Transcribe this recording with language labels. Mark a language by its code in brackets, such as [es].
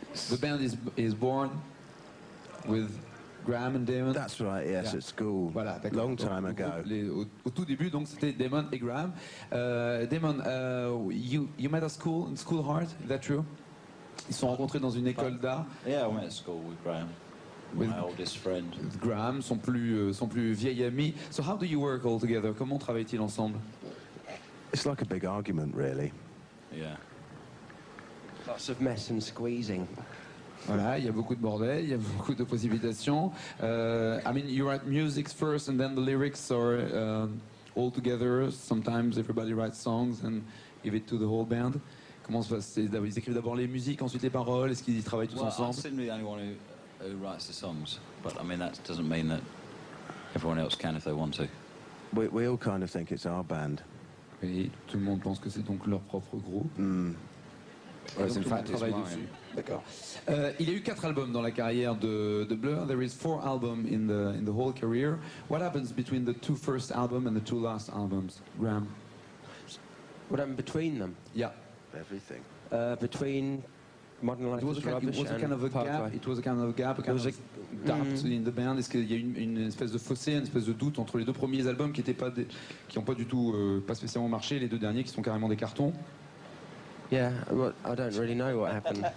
[en] The band is born with Graham and Damon. That's right, yes, yeah. At school. [fr] Voilà, d'accord. [en] Long time ago. [fr] Au tout début, donc, c'était Damon et Graham. [en] Damon, you met at school, in school heart, is that true? [fr] Ils sont rencontrés dans une école d'art. [en] Yeah, I went at school with Graham. With my oldest friend. Graham, [fr] son plus vieil ami. [en] So how do you work all together? [fr] Comment travaillent-ils ensemble? [en] It's like a big argument, really. Yeah. Lots of mess and squeezing. [fr] Voilà, il y a beaucoup de bordel, il y a beaucoup de précipitations. [en] I mean, you write music first and then the lyrics are all together. Sometimes everybody writes songs and give it to the whole band. [fr] Comment ça se passe? Ils écrivent d'abord les musiques, ensuite les paroles. Est-ce qu'ils y travaillent tous ensemble? [en] Well, I'm simply the only one who writes the songs. But I mean, that doesn't mean that everyone else can if they want to. We all kind of think it's our band. [fr] Et tout le monde pense que c'est donc leur propre groupe. Mm. Ouais, c'est donc, travail dessus. D'accord. Il y a eu 4 albums dans la carrière de Blur. [en] There is 4 albums in the whole career. What happens between the 2 first albums and the 2 last albums, Graham? What happened between them? Yeah. Everything. Between Modern Life is Rubbish and Parkway. It was a kind of a gap, a kind of a doubt in the band. [fr] Est-ce qu'il y a une espèce de fossé, une espèce de doute entre les deux premiers albums qui n'ont pas spécialement marché, les deux derniers qui sont carrément des cartons? [en] Yeah, well, I don't really know what happened.